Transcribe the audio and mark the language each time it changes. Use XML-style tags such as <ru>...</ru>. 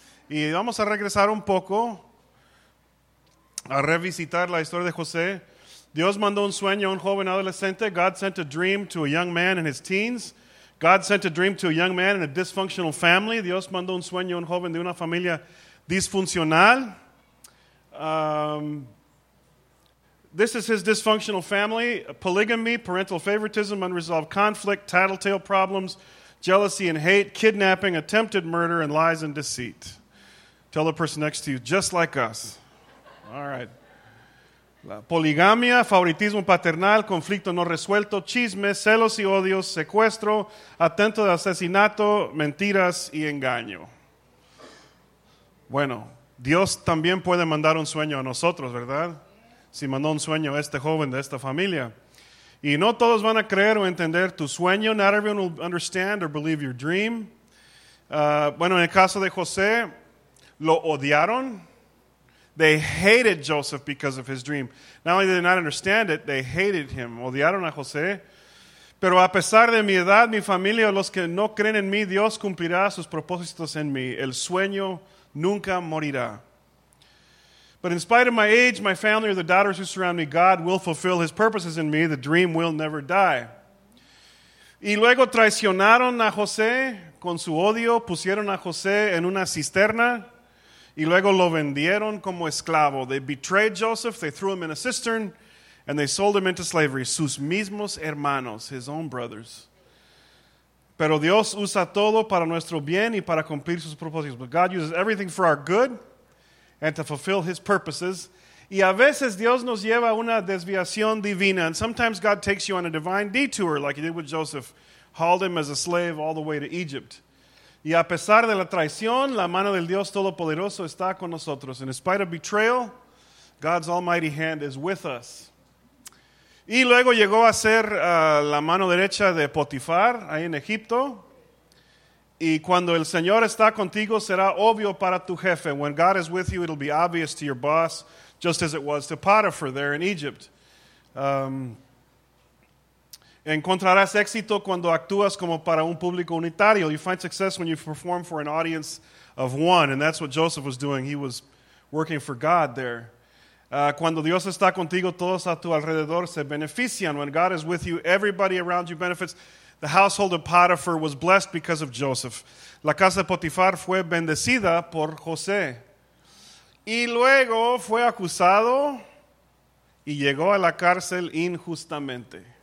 <es>Y vamos a regresar un poco a revisitar la historia de José. Dios mandó un sueño a un joven adolescente.</es> <en>God sent a dream to a young man in his teens. God sent a dream to a young man in a dysfunctional family.</en> <es>Dios mandó un sueño a un joven de una familia disfuncional.</es> <en>This is his dysfunctional family. Polygamy, parental favoritism, unresolved conflict, tattletale problems, jealousy and hate, kidnapping, attempted murder, and lies and deceit. Tell the person next to you, just like us. All right.</en> <es>La poligamia, favoritismo paternal, conflicto no resuelto, chismes, celos y odios, secuestro, intento de asesinato, mentiras y engaño. Bueno, Dios también puede mandar un sueño a nosotros, ¿verdad? Si mandó un sueño a este joven de esta familia. Y no todos van a creer o entender tu sueño.</es> <en>Not everyone will understand or believe your dream.</en> <es>Bueno, en el caso de José, lo odiaron.</es> <en>They hated Joseph because of his dream. Not only did they not understand it, they hated him.</en> <es>Odiaron a José. Pero a pesar de mi edad, mi familia, los que no creen en mí, Dios cumplirá sus propósitos en mí. El sueño nunca morirá.</es> <en>But in spite of my age, my family, or the daughters who surround me, God will fulfill his purposes in me. The dream will never die.</en> <es>Y luego traicionaron a José con su odio, pusieron a José en una cisterna, y luego lo vendieron como esclavo.</es> <en>They betrayed Joseph, they threw him in a cistern, and they sold him into slavery.</en> <es>Sus mismos hermanos,</es> <en>his own brothers.</en> <es>Pero Dios usa todo para nuestro bien y para cumplir sus propósitos.</es> <en>But God uses everything for our good and to fulfill his purposes.</en> <es>Y a veces Dios nos lleva a una desviación divina.</es> <en>And sometimes God takes you on a divine detour, like he did with Joseph. Hauled him as a slave all the way to Egypt.</en> <es>Y a pesar de la traición, la mano del Dios Todopoderoso está con nosotros.</es> <en>And in spite of betrayal, God's almighty hand is with us.</en> <es>Y luego llegó a ser la mano derecha de Potifar, ahí en Egipto. Y cuando el Señor está contigo, será obvio para tu jefe.</es> <en>When God is with you, it'll be obvious to your boss, just as it was to Potiphar there in Egypt.</en> <es>Encontrarás éxito cuando actúas como para un público unitario.</es> <en>You find success when you perform for an audience of one. And that's what Joseph was doing. He was working for God there.</en> <es>Cuando Dios está contigo, todos a tu alrededor se benefician.</es> <en>When God is with you, everybody around you benefits. The household of Potiphar was blessed because of Joseph.</en> <es>La casa de Potifar fue bendecida por José. Y luego fue acusado y llegó a la cárcel injustamente.</es>